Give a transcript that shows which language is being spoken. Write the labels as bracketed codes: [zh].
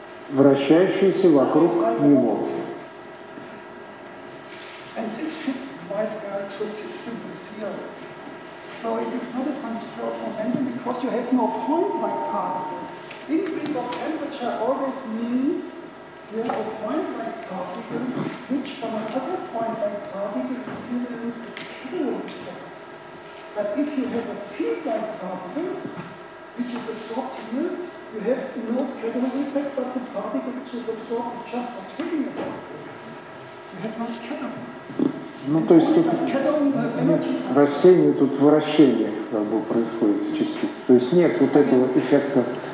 [ru] вращающийся вокруг него. [en] And this fits quite well to this simple theory. So it is not a transfer of momentum because you have no point-like particle. Increase of temperature always means you have a point-like particle which from another point-like particle experiences a scattering effect. But if you have a field-like particle which is absorbed here, you have no scattering effect, but the particle which is absorbed is just rotating about this. You have no scattering. [ru] Ну, то есть тут растение, тут вращение как бы происходит частиц. То есть нет вот этого эффекта.